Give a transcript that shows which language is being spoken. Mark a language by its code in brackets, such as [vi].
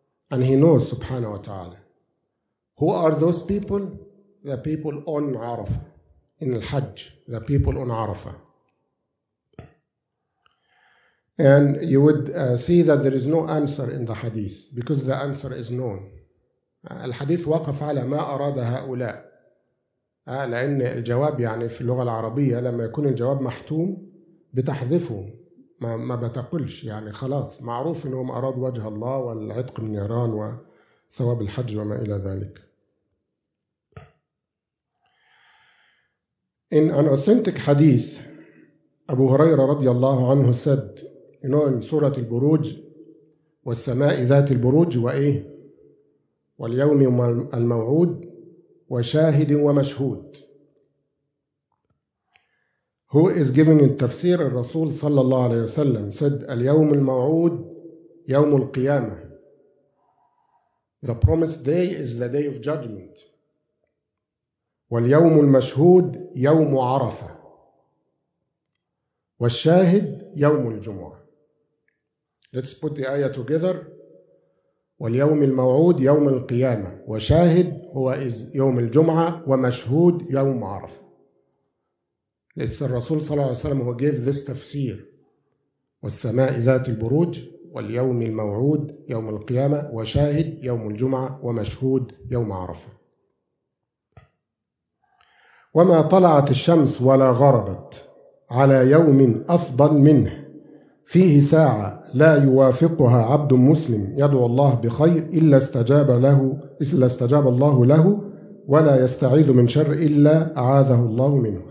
[en] And He knows subhanahu wa ta'ala. Who are those people? The people on Arafah, in al-Hajj, the people on Arafah. And you would see that there is no answer in the hadith because the answer is known. [ar] Al-hadith waqaf ala ma arada ha'ula. لأن الجواب يعني في اللغة العربية لما يكون الجواب محتوم بتحذفه ما بتقولش يعني خلاص معروف إنهم أراد وجه الله والعتق من النيران وثواب الحج وما إلى ذلك. [en] In an authentic hadith, Abu Huraira [ar] رضي الله عنه [en] said, you know, in Surah Al-Buruj, [ar] وَالسَّمَاءِ ذَاتِ الْبُرُوجِ وَإِيهِ وَالْيَوْمِ الْمَوْعُودِ وَشَاهِدٍ وَمَشْهُودٍ. [en] Who is giving in tafsir? Rasul sallallahu alayhi wa sallam said, [ar] الْيَوْمِ الْمَوْعُودِ يَوْمُ الْقِيَامَةِ. [en] The promised day is the day of judgment. [ar] وَالْيَوْمُ الْمَشْهُودِ يَوْمُ عَرَفَةِ وَالشَّاهِدِ يَوْمُ الْجُمُعَةِ. [en] Let's put the ayah together. [ar] واليوم الموعود يوم القيامة وشاهد هو يوم الجمعة ومشهود يوم عرفة. [en] It's the Rasul [ar] صلى الله عليه وسلم [en] who gave this tafsir. [ar] والسماء ذات البروج واليوم الموعود يوم القيامة وشاهد يوم الجمعة ومشهود يوم عرفة. وما طلعت الشمس ولا غربت على يوم أفضل منه فيه ساعة لا يوافقها عبد مسلم يدعو الله بخير إلا استجاب له إلا استجاب الله له ولا يستعيذ من شر إلا أعاذه الله منه.